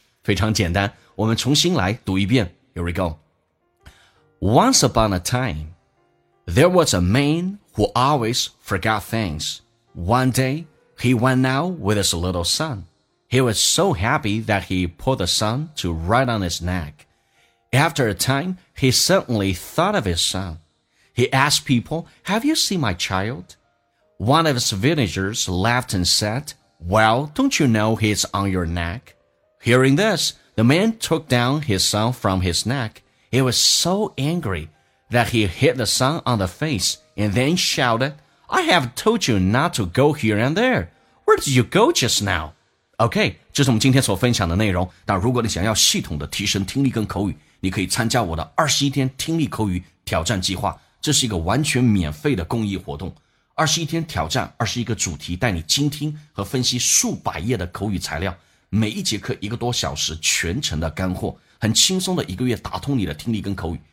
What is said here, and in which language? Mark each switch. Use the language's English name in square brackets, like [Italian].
[Chinese] 非常简单，我们重新来读一遍。 [English] Here we go. Once upon a time, there was a man who always forgot things. One day, he went out with his little son. He was so happy that he put the son to ride on his neck. After a time, he suddenly thought of his son. He asked people, Have you seen my child? One of his villagers laughed and said, Well, don't you know he's on your neck? Hearing this, the man took down his son from his neck. He was so angry that he hit the son on the face and then shouted, I have told you not to go here and there. Where did you go just now? [Chinese] OK, 这是我们今天所分享的内容。但如果你想要系统的提升听力跟口语，你可以参加我的21天听力口语挑战计划。这是一个完全免费的公益活动。21天挑战21个主题，带你精听和分析数百页的口语材料，每一节课一个多小时，全程的干货，很轻松的一个月打通你的听力跟口语。